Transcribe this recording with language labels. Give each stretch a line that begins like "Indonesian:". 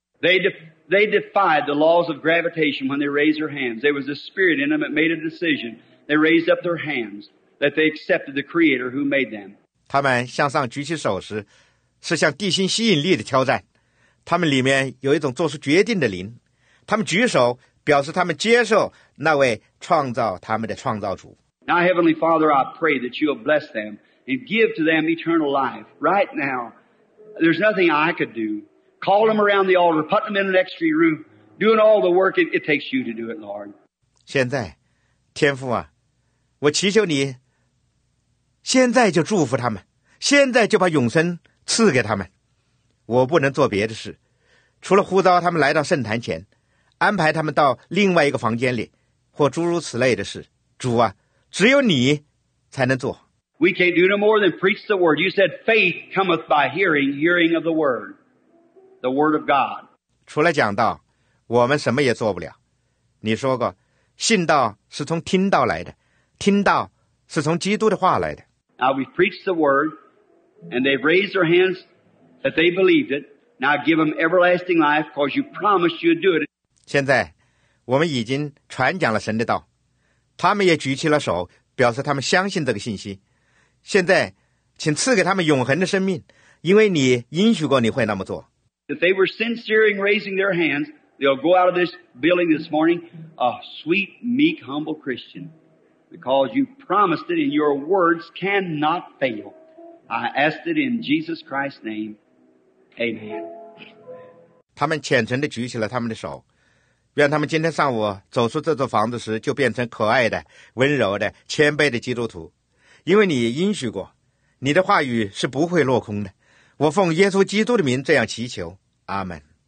English: They defied the laws of gravitation when they raised their hands. There was a spirit in them that made a decision. They raised up their hands that they accepted the Creator who made them.
Chinese: 他们向上举起手时，是向地心吸引力的挑战。他们里面有一种做出决定的灵。他们举手表示他们接受那位创造他们的创造主。
English: Now, Heavenly Father, I pray that you will bless them and give to them eternal life right now. There's nothing I could do. Call them around the altar, put them in an extra room, doing all the work it takes you to do it, Lord.
Chinese: 现在，天父啊，我祈求你现在就祝福他们，现在就把永生赐给他们。我不能做别的事，除了呼召他们来到圣坛前，安排他们到另外一个房间里，或诸如此类的事。主啊，只有你才能做。
English: We can't do no more than preach the word. You said faith cometh by hearing, hearing of the word, the word of God.
Chinese: 除了讲道，我们什么也做不了。你说过，信道是从听道来的，听道是从基督的话来的。
English: Now we preach the word, and they've raised their hands that they believed it. Now give them everlasting life, because you promised you'd do it.
Chinese: 现在，我们已经传讲了神的道，他们也举起了手，表示他们相信这个信息。现在，请赐给他们永恒的生命，因为你应许过你会那么做。
English: If they were sincere in raising their hands, they'll go out of this building this morning a sweet, meek, humble Christian, because you promised it and your words cannot fail. I ask it in Jesus Christ's name. Amen.
Chinese: 他们虔诚地举起了他们的手，愿他们今天上午走出这座房子时就变成可爱的、温柔的、谦卑的基督徒。因为你应许过，你的话语是不会落空的。我奉耶稣基督的名这样祈求，阿门。